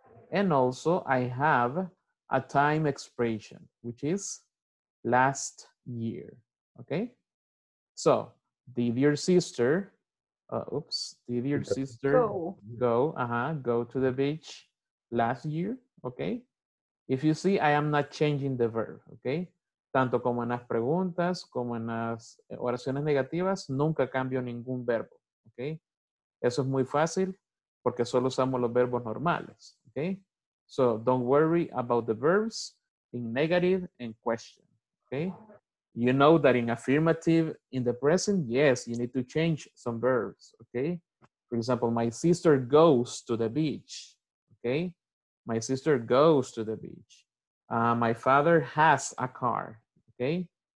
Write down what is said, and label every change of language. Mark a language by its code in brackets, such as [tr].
[en] And also, I have a time expression, which is last year, okay? So, did your sister go to the beach last year, okay? If you see, I am not changing the verb, okay? [es] Tanto como en las preguntas, como en las oraciones negativas, nunca cambio ningún verbo, okay? Eso es muy fácil, porque solo usamos los verbos normales, okay? [en] So, don't worry about the verbs in negative and question. Okay, you know that in affirmative, in the present, yes, you need to change some verbs, okay? For example, my sister goes to the beach, okay? My sister goes to the beach. My father has a car, okay?